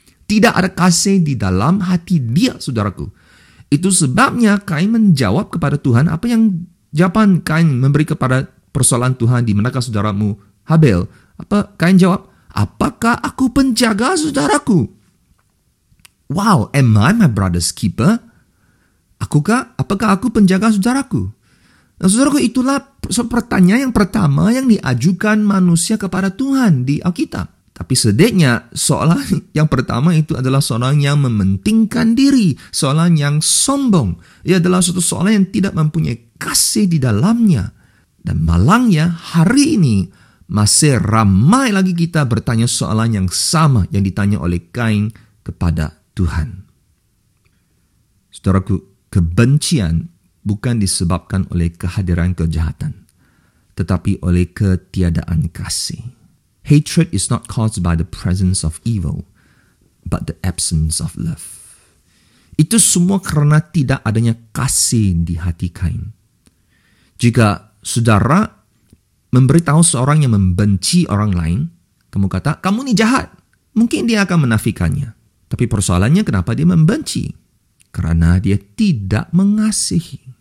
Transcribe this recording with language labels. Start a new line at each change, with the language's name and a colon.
Indonesian: Tidak ada kasih di dalam hati dia, saudaraku. Itu sebabnya Kain menjawab kepada Tuhan, apa yang jawaban Kain memberi kepada persoalan Tuhan, di manakah saudaramu Habel? Apa Kain jawab? Apakah aku penjaga saudaraku?
English: Wow, am I my brother's keeper?
Indonesian: Apakah aku penjaga saudaraku? Nah, saudaraku, itulah pertanyaan yang pertama yang diajukan manusia kepada Tuhan di Alkitab. Tapi sedihnya, soalan yang pertama itu adalah soalan yang mementingkan diri, soalan yang sombong. Ia adalah suatu soalan yang tidak mempunyai kasih di dalamnya. Dan malangnya, hari ini masih ramai lagi kita bertanya soalan yang sama yang ditanya oleh Kain kepada Tuhan. Saudaraku, kebencian bukan disebabkan oleh kehadiran kejahatan, tetapi oleh ketiadaan kasih.
English: Hatred is not caused by the presence of evil, but the absence of love.
Indonesian: Itu semua karena tidak adanya kasih di hati Kain. Jika saudara memberitahu seorang yang membenci orang lain, kamu kata, kamu ini jahat, mungkin dia akan menafikannya. Tapi persoalannya, kenapa dia membenci? Karena dia tidak mengasihi.